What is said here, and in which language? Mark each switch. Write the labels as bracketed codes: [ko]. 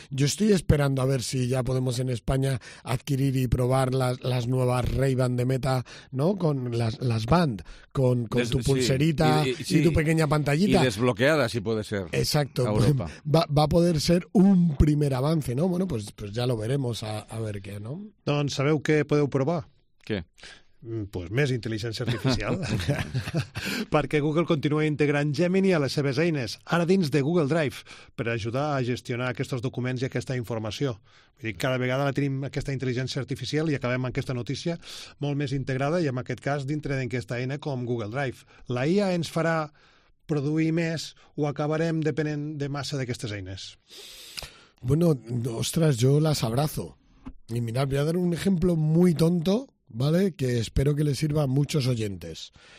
[es] Yo estoy esperando a ver si ya podemos en España adquirir y probar las nuevas Ray-Ban de Meta, ¿no? Con las Band, con tu pulserita y tu pequeña pantallita. Y desbloqueada, si puedes. Exacto, va a poder ser un primer avance, ¿no? Bueno, pues ya lo veremos a ver qué, ¿no? [ca] Doncs sabeu què podeu provar? Què? Pues més intel·ligència artificial. Perquè Google continua integrant Gemini a les seves eines, ara dins de Google Drive, per ajudar a gestionar aquests documents i aquesta informació. Vull dir, cada vegada la tenim aquesta intel·ligència artificial i acabem amb aquesta notícia molt més integrada i en aquest cas dintre d'aquesta eina com Google Drive. La IA ens farà produir més o acabarem depenent de massa d'aquestes eines? [es] Bueno, ostras, yo las abrazo. Y mirad, voy a dar un ejemplo muy tonto, ¿vale? Que espero que le sirva a muchos oyentes.